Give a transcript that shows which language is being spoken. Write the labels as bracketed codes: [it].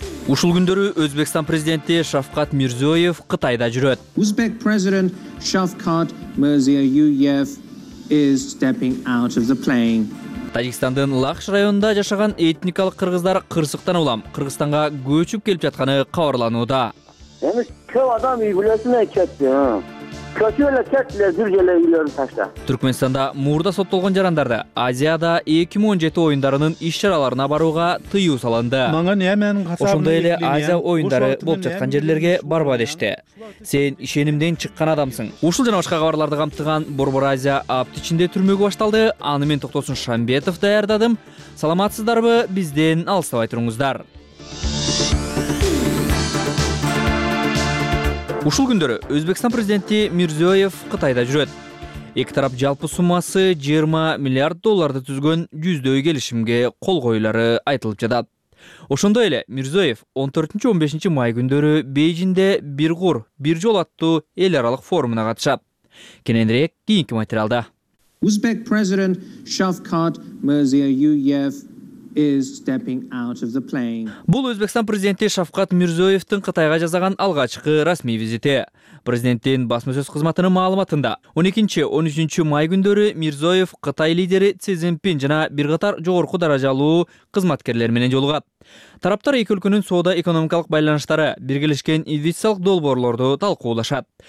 [ky] Ушул күндөрү Өзбекстан президенти Шавкат Мирзиёев Кытайда жүрөт. [en] Uzbek President Shavkat Mirziyoyev is stepping out of the plane. [ky] Тажикстандын Лахш районунда жашаган этникалык кыргыздар кырсыктан улам Кыргызстанга көчүп келип жатканы кабарланууда. Эми көп адам үйлөсүнө кетти. Көчүп эле кеттиле жүргөлө үйлөрүн ташта. Түркмөнстанда муурда соттолгон жарандарды Азияда 2017 оюндарынын иш чараларына барууга тыюу салынды. Ошондой эле Азия оюндары болуп жаткан жерлерге барба дешти. Сен ишенимден чыккан адамсың. Ушул жана башка кабарларды камтыган Борбор Азия апт ичинде түрмөгү башталды. Аны мен Токтосун Шамбетов даярдадым. Саламатсыздарбы, бизден алыстабай туруңуздар. Ушул күндөрү Өзбекстан президенти Мирзиёев Кытайда жүрөт. Эки тарап жалпы суммасы 20 миллиард долларды түзгөн жүздөй келишимге кол коюулары айтылып жатат. Ошондой эле Мирзиёев 14-15 май күндөрү Бейжинде Бир кур, бир жол аттуу эл аралык форумуна катышат. Кененирээк кийинки материалда. [en] Uzbek President Shavkat Mirziyoyev is stepping out of the plane. [ky] Бул Өзбекстан президенти Шавкат Мирзиёевдин Кытайга жасаган алгачкы расмий визити. Президенттин басма сөз кызматынын маалыматында 12-13 май күндөрү Мирзиёев Кытай лидери Си Цзиньпин жана бир катар жогорку даражалуу кызматкерлер менен жолугат. Тараптар эки өлкөнүн соода-экономикалык байланыштары, биргелешкен инвестициялык долбоорлорду талкуулашат.